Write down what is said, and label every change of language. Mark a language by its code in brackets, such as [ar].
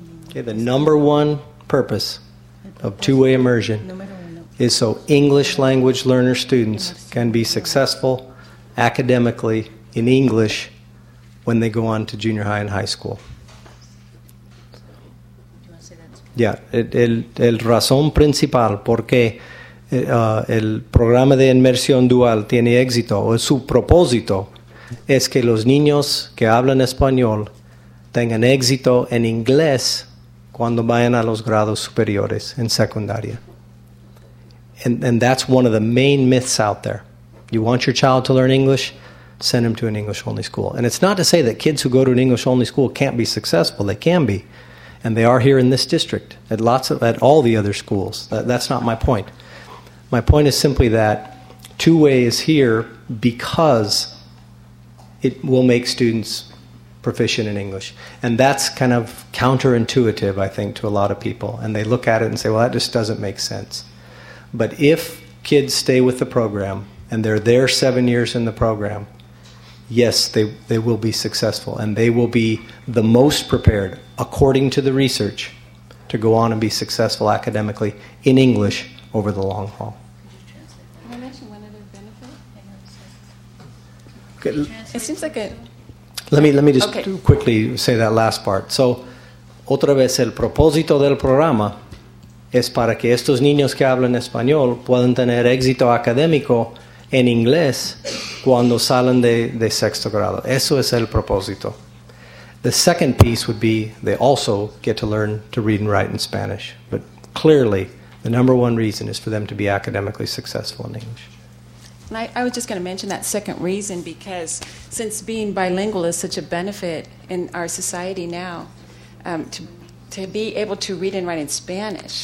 [en] Okay, the number one purpose of two-way immersion is so English language learner students can be successful academically in English when they go on to junior high and high school. [es] Yeah, el razón principal por qué el programa de inmersión dual tiene éxito, o su propósito, es que los niños que hablan español tengan éxito en inglés cuando vayan a los grados superiores en secundaria. [en] And that's one of the main myths out there. You want your child to learn English? Send them to an English-only school. And it's not to say that kids who go to an English-only school can't be successful. They can be. And they are here in this district, at all the other schools. That's not my point. My point is simply that two-way is here because it will make students proficient in English. And that's kind of counterintuitive, I think, to a lot of people. And they look at it and say, well, that just doesn't make sense. But if kids stay with the program and they're there 7 years in the program, yes, they will be successful, and they will be the most prepared, according to the research, to go on and be successful academically in English over the long haul. Can I mention one other benefit? Okay. It seems like a... Let me just quickly say that last part. [es] So, otra vez, el propósito del programa es para que estos niños que hablan español puedan tener éxito académico en inglés cuando salen de sexto grado. Eso es el propósito. [en] The second piece would be they also get to learn to read and write in Spanish. But clearly, the number one reason is for them to be academically successful in English. And I was just going to mention that second reason because since being bilingual is such a benefit in our society now, to be able to read and write in Spanish